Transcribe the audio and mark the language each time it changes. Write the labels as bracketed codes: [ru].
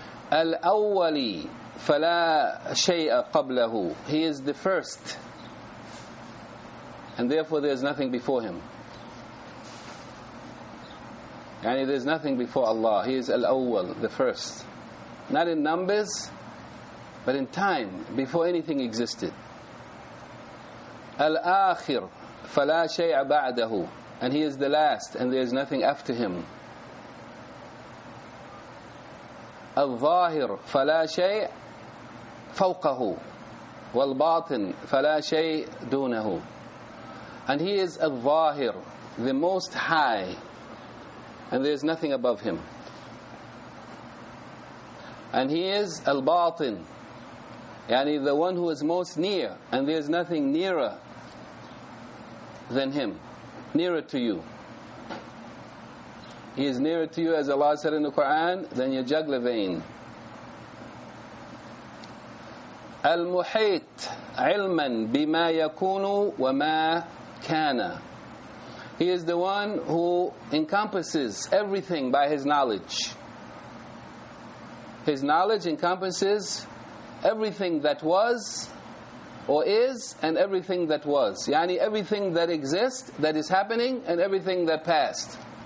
[ar] Al-Awwali, فلا شيء قبله. [en] He is the first, and therefore there is nothing before him. Yani there is nothing before Allah. He is Al-Awwal, the first. Not in numbers, but in time, before anything existed. [ar] Al-Akhir, فلا شيء بعده. [en] And he is the last, and there is nothing after him. [ar] Al-Zahir, فلا شيء فوقه. والباطن فلا شيء دونه. [en] And he is Al-Zahir, the most high, and there is nothing above him. And he is Al-Batin, yani the one who is most near, and there is nothing nearer than him, nearer to you. He is nearer to you, as Allah said in the Quran, than your jugular vein. [ar] Al-Muhit, علماً بما يكون وما كان. [en] He is the one who encompasses everything by his knowledge. His knowledge encompasses everything that was or is and everything that was. Yani everything that exists, that is happening, and everything that passed.